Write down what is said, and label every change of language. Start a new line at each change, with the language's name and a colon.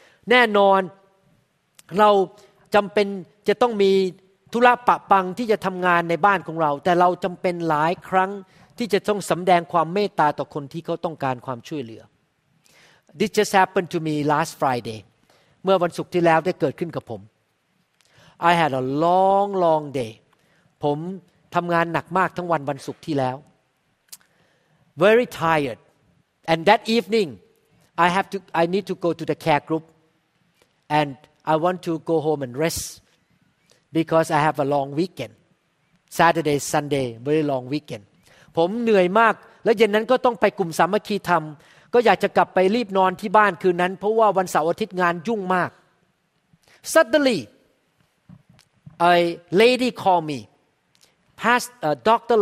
Thai: แน่นอนเราจำเป็นจะต้องมีธุระปะปังที่จะทำงานในบ้านของเราแต่เราจำเป็นหลายครั้งที่จะต้องสำแดงความเมตตาต่อคนที่เขาต้องการความช่วยเหลือ
English: This just happened to me last Friday.
Thai: เมื่อวันศุกร์ที่แล้วได้เกิดขึ้นกับผม
English: I had a long, long day.
Thai: ผมทำงานหนักมากทั้งวันวันศุกร์ที่แล้ว
English: Very tired. And that evening, I need to go to the care group. And I want to go home and rest. Because I have a long weekend. Saturday, Sunday, very long weekend.
Thai: ผมเหนื่อยมากและเย็นนั้นก็ต้องไปกลุ่มสามัคคีธรรมก็อยากจะกลับไปรีบนอนที่บ้านคืนนั้นเพราะว่าวันเสาร์อาทิตย์งานยุ่งมาก
English: Suddenly a lady called me Past Dr.